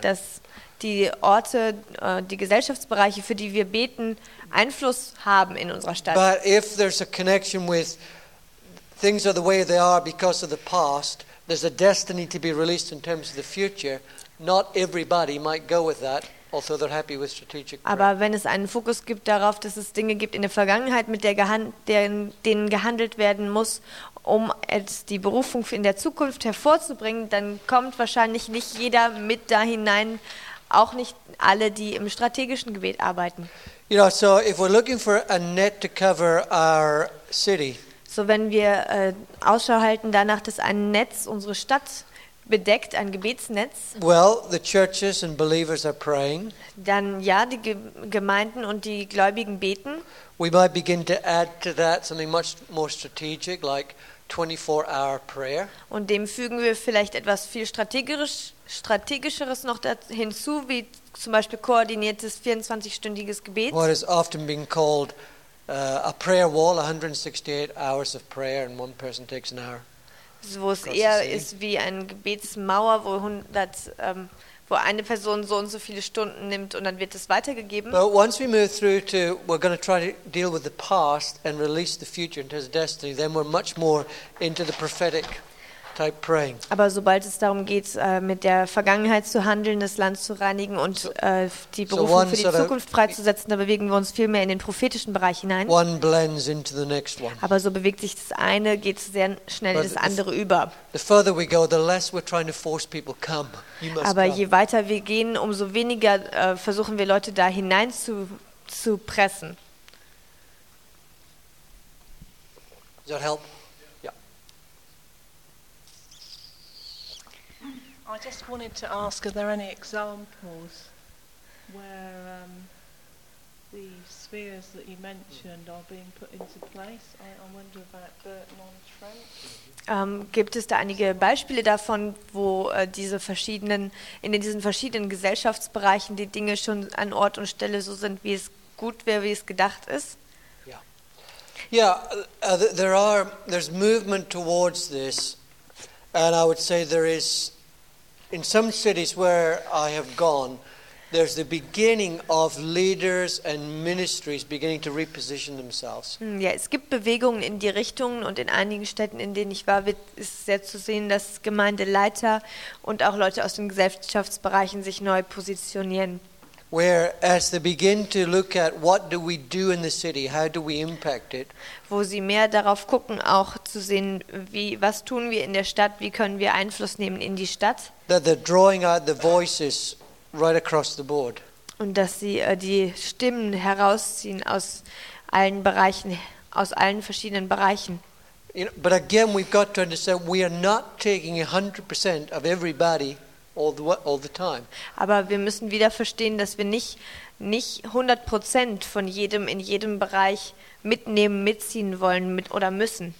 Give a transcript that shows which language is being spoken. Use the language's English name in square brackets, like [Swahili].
[German] Dass die Orte, die Gesellschaftsbereiche, für die wir beten, Einfluss haben in unserer Stadt. [English] But if there's a connection with things are the way they are because of the past, there's a destiny to be released in terms of the future. Not everybody might go with that, although they're happy with strategic prayer. [German] Aber wenn es einen Fokus gibt darauf, dass es Dinge gibt in der Vergangenheit, mit denen gehandelt werden muss, um die Berufung in der Zukunft hervorzubringen, dann kommt wahrscheinlich nicht jeder mit da hinein, auch nicht alle, die im strategischen Gebet arbeiten. [English] You know, so if we're looking for a net to cover our city. [German] So wenn wir Ausschau halten danach, dass ein Netz unsere Stadt bedeckt, ein Gebetsnetz. [English] Well, the churches and believers are praying. [German] Dann ja, die Gemeinden und die Gläubigen beten. [English] We might begin to add to that something much more strategic, like 24-hour prayer. [German] Und dem fügen wir vielleicht etwas viel strategischeres noch hinzu, wie zum Beispiel koordiniertes 24-stündiges Gebet. [English] What is often being called a prayer wall, 168 hours of prayer, and one person takes an hour. [German] So, wo es eher ist wie eine Gebetsmauer, wo eine Person so und so viele Stunden nimmt und dann wird es weitergegeben. [English] But once we move through to, we're going to try to deal with the past and release the future into his destiny, then we're much more into the prophetic type praying. [German] Aber sobald es darum geht, mit der Vergangenheit zu handeln, das Land zu reinigen und die Berufung für die Zukunft freizusetzen, da bewegen wir uns viel mehr in den prophetischen Bereich hinein. [English] One blends into the next one. [German] Aber so bewegt sich das eine, geht sehr schnell in das andere über. [English] The further we go, the less we're trying to force people come. You must [German] Aber come. Je weiter wir gehen, umso weniger versuchen wir Leute da hinein zu pressen. [English] Does that help? I just wanted to ask, are there any examples where the spheres that you mentioned are being put into place? I wonder about Burton on Trent. [German] Gibt es da einige Beispiele davon, wo diese verschiedenen, in diesen verschiedenen Gesellschaftsbereichen die Dinge schon an Ort und Stelle so sind, wie es gut wäre, wie es gedacht ist? Ja. Yeah. [English] Yeah, there's movement towards this, and I would say there is. In some cities where I have gone, there's the beginning of leaders and ministries beginning to reposition themselves. [German] Ja, es gibt Bewegungen in die Richtungen und in einigen Städten, in denen ich war, ist sehr zu sehen, dass Gemeindeleiter und auch Leute aus den Gesellschaftsbereichen sich neu positionieren. [English] Where as they begin to look at what do we do in the city, how do we impact it? [German] Wo sie mehr darauf gucken, auch zu sehen, wie was tun wir in der Stadt, wie können wir Einfluss nehmen in die Stadt? [English] That they're drawing out the voices right across the board. [German] Und dass sie die Stimmen herausziehen aus allen Bereichen, aus allen verschiedenen Bereichen. [English] You know, but again, we've got to understand we are not taking 100% of everybody. All the time. [German] Aber wir müssen wieder verstehen, dass wir nicht 100% von jedem in jedem Bereich mitnehmen, mitziehen wollen mit oder müssen.